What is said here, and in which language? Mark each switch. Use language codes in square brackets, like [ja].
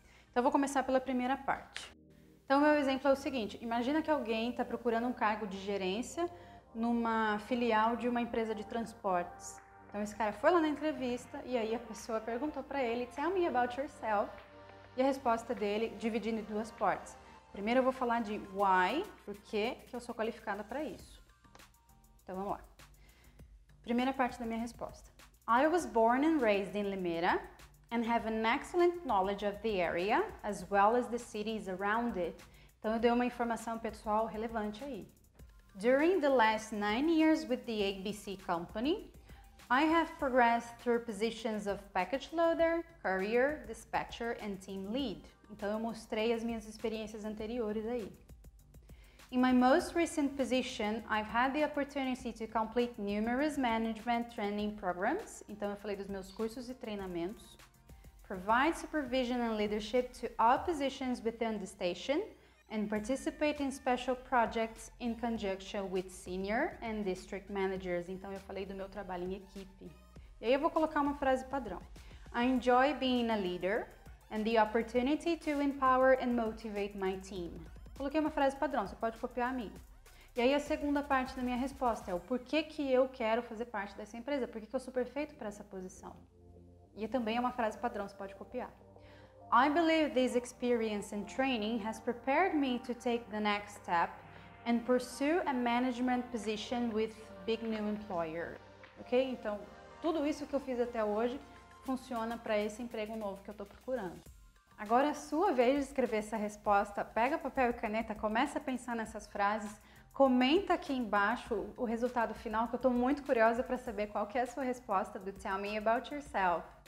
[pt] Então eu vou começar pela primeira parte. Então, meu exemplo é o seguinte: imagina que alguém está procurando um cargo de gerência numa filial de uma empresa de transportes. Então esse cara foi lá na entrevista e aí a pessoa perguntou para ele: [en] Tell me about yourself. [pt] E a resposta dele, dividindo em duas partes. Primeiro eu vou falar de why, por que eu sou qualificada para isso. Então vamos lá. Primeira parte da minha resposta: [en] I was born and raised in Limeira and have an excellent knowledge of the area as well as the cities around it. [pt] Então eu dei uma informação pessoal relevante aí. [en] During the last 9 years with the ABC company, I have progressed through positions of package loader, courier, dispatcher and team lead. [pt] Então eu mostrei as minhas experiências anteriores aí. [en] In my most recent position, I've had the opportunity to complete numerous management training programs. [pt] Então eu falei dos meus cursos e treinamentos. [en] Provide supervision and leadership to all positions within the station and participate in special projects in conjunction with senior and district managers. [pt] Então eu falei do meu trabalho em equipe. E aí eu vou colocar uma frase padrão: [en] I enjoy being a leader and the opportunity to empower and motivate my team. [pt] Coloquei uma frase padrão, você pode copiar a minha. E aí a segunda parte da minha resposta é o porquê que eu quero fazer parte dessa empresa, por que que eu sou perfeito para essa posição. E também é uma frase padrão, você pode copiar. [en] I believe this experience and training has prepared me to take the next step and pursue a management position with big new employer. Ok? [pt] Então, tudo isso que eu fiz até hoje funciona para esse emprego novo que eu estou procurando. Agora é a sua vez de escrever essa resposta. Pega papel e caneta, começa a pensar nessas frases, comenta aqui embaixo o resultado final, que eu estou muito curiosa para saber qual que é a sua resposta do Tell Me About Yourself.